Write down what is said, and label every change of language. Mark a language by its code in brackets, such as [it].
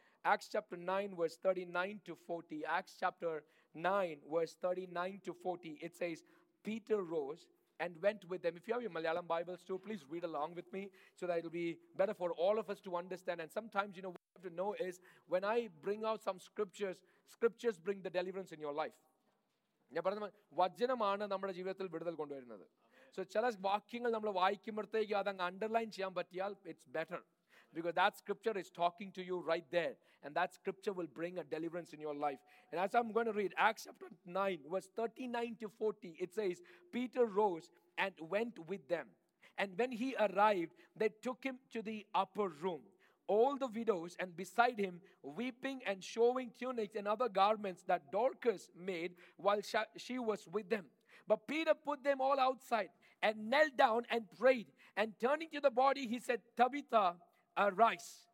[en] Acts chapter 9, verse 39 to 40. Acts chapter 9, verse 39 to 40. It says, Peter rose and went with them. If you have your Malayalam Bibles too, please read along with me so that it'll be better for all of us to understand. And sometimes, you know, what you have to know is when I bring out some scriptures, scriptures bring the deliverance in your life. [ml] വചനമാണ് നമ്മുടെ ജീവിതത്തിൽ വിടുതൽ കൊണ്ടുവരുന്നത്. [en] so [ml] ചില വാക്യങ്ങൾ നമ്മൾ വായിക്കുമ്പോഴത്തേക്ക് അതങ്ങ് underline ചെയ്യാൻ പറ്റിയാൽ [en] It's better, because that scripture is talking to you right there, and that scripture will bring a deliverance in your life. And as I am going to read Acts chapter 9 verse 39 to 40, it says Peter rose and went with them, and when he arrived they took him to the upper room. All the widows and beside him, weeping and showing tunics and other garments that Dorcas made while she was with them. But Peter put them all outside and knelt down and prayed. And turning to the body, he said, Tabitha, arise.